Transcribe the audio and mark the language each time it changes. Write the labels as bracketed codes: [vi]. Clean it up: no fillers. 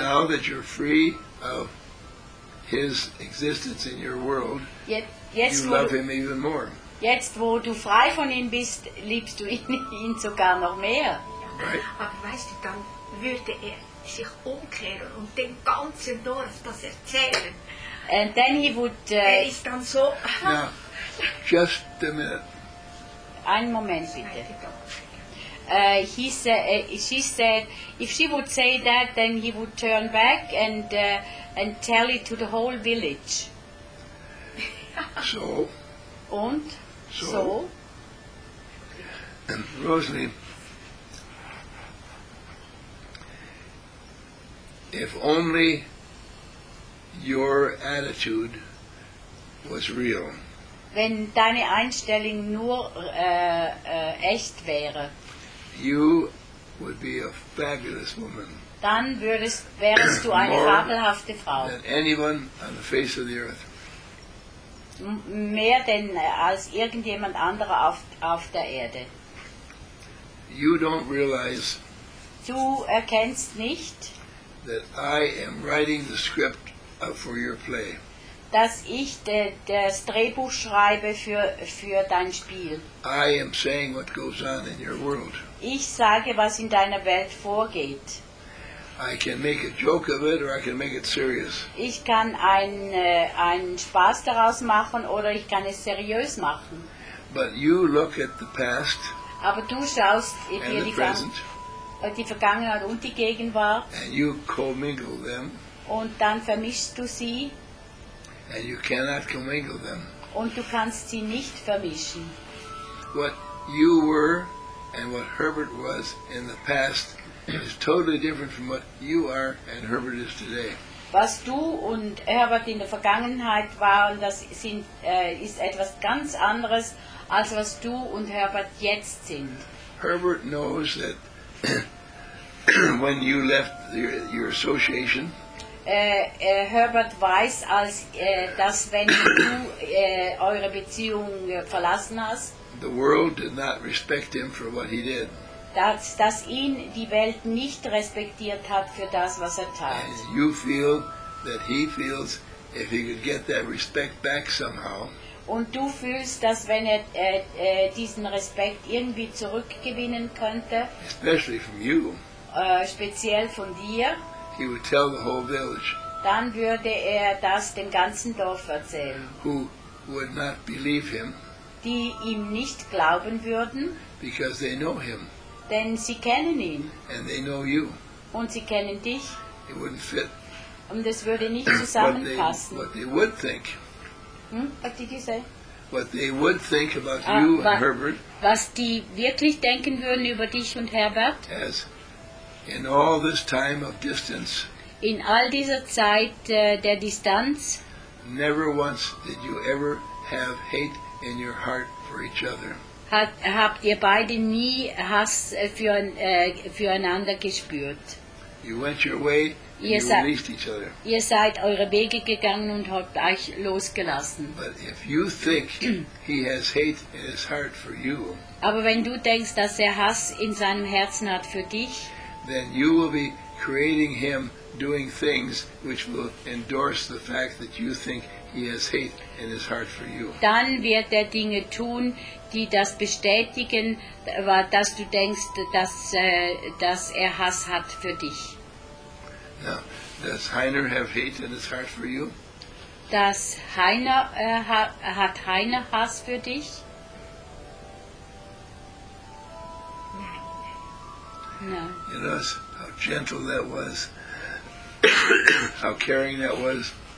[en] Now that you're free of his existence in your world, [de] jetzt, [en] you love him even more. [de] Jetzt, wo du frei von ihm bist, liebst du ihn sogar noch mehr. [en] Right. [de] Aber weißt du, dann würde er sich umkehren und dem ganzen Dorf das erzählen. [en] And then he would... [de] Er ist dann so... [en] Now, just a minute. [de] Einen Moment bitte. [en] She said, if she would say that, then he would turn back and tell it to the whole village. So? [de] Und? [en] So? And Rosalie, if only your attitude was real. [de] Wenn deine Einstellung nur echt wäre. [en] You would be a fabulous woman. [de] Dann wärst du eine fabelhafte Frau. [en] Than anyone on the face of the earth. [de] Mehr denn als irgendjemand anderer auf der Erde. [en] You don't realize. [de] Du erkennst nicht. [en] That I am writing the script for your play. [de] Dass ich das Drehbuch schreibe für dein Spiel. [en] I am saying what goes on in your world. [de] Ich sage, was in deiner Welt vorgeht. [en] I can make a joke of it or I can make it serious. [de] Ich kann einen Spaß daraus machen oder ich kann es seriös machen. [en] But you look at the past. [de] Aber du schaust dir die Vergangenheit und die Gegenwart. [en] And you commingle them. [de] Und dann vermischst du sie. [en] And you cannot commingle them. [de] Und du kannst sie nicht vermischen. [en] What you were and what Herbert was in the past is totally different from what you are and Herbert is today. [de] Was du und Herbert in der Vergangenheit waren, ist etwas ganz anderes als was du und Herbert jetzt sind. [en] Herbert knows that when you left your association. [de] Herbert weiß, dass wenn du eure Beziehung verlassen hast, [en] the world did not respect him for what he did. [de] Dass ihn die Welt nicht respektiert hat für das, was er tat. [en] And you feel that he feels if he could get that respect back somehow. [de] Und du fühlst, dass wenn er diesen Respekt irgendwie zurückgewinnen könnte, [en] especially from you, [de] speziell von dir, [en] he would tell the whole village. [de] Dann würde das dem ganzen Dorf erzählen. [en] Who would not believe him? [de] Die ihm nicht glauben würden. [en] Because they know him. [de] Denn sie kennen ihn. [en] And they know you. [de] Und sie kennen dich. [en] It wouldn't fit. [de] Und das würde nicht zusammenpassen. [en] What they would think. What did you say? What they would think about you and Herbert. [de] Was die wirklich denken würden über dich und Herbert. [en] As in all this time of distance. [de] In all dieser Zeit der Distanz. [en] Never once did you ever have hate in your heart for each other. [de] Habt ihr beide nie Hass füreinander gespürt? [en] You went your way and you released each other. [de] Ihr seid eure Wege gegangen und habt euch losgelassen. [en] But if you think he has hate in his heart for you, [de] aber wenn du denkst, dass Hass in seinem Herzen hat für dich, [en] then you will be creating him doing things which will endorse the fact that you think he has hate in his heart for you. [de] Dann wird Dinge tun, die das bestätigen, dass du denkst, dass Hass hat für dich. [en] Now, does Heiner have hate in his heart for you? [de] Does Heiner hat Heiner Hass für dich? [en] No. You know how gentle that was, how caring that was.